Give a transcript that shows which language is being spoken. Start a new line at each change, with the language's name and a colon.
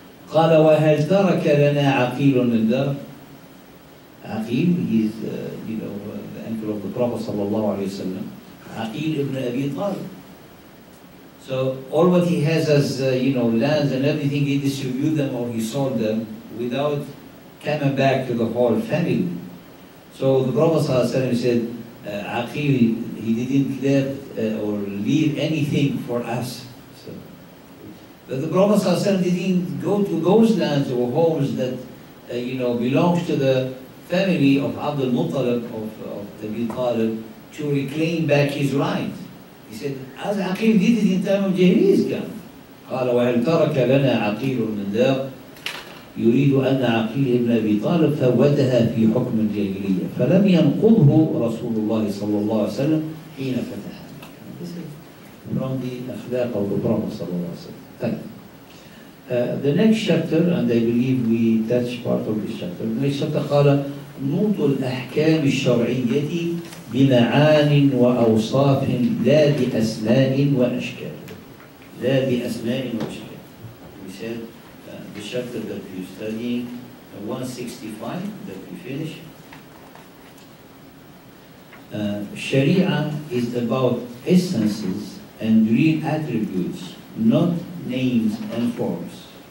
Arabic: قال وهل ترك لنا عقيل من دار عقيل
English: he's you know the uncle of the Prophet
Arabic: صلى الله عليه وسلم عقيل ابن أبي طالب.
English: So all what he has as you know lands and everything he distributed them or he sold them without coming back to the whole family. So the Prophet صلى الله عليه وسلم said عقيل he didn't leave or leave anything for us. But the Prophet ﷺ didn't go to those lands or homes that, you know, belongs to the family of Abdul Muttalib, of Abi Talib, to reclaim back his rights. He said, as Aqil did it in time of Jahiliyyah's camp.
Arabic: قَالَ وَهَلْ تَرَكَ لَنَا عَقِيلٌ مِنْ دَارٍ يُرِيدُ أَنَّ عَقِيلَ ابْنَ أَبِي طَالِبٍ فَوَّدَهَا فِي حُكْمِ الْجَاهِلِيَّةِ فَلَمْ يَنْقُضْهُ رَسُولُ اللَّهِ صَلَّى اللَّهُ عَلَيْهِ وَسَلَّمَ حِينَ فَتَحَ.
English: This is from the أخلاق of the Prophet صلى الله عليه وسلم. The next chapter, and I believe we touch part of this chapter. The next chapter
Arabic: قال نوط الأحكام الشرعية بمعان وأوصاف لا بأسماء وأشكال. لا بأسماء وأشكال.
English: We said the chapter that we're studying, 165, that we finish. الشريعة is about essences and real attributes, not names and forms.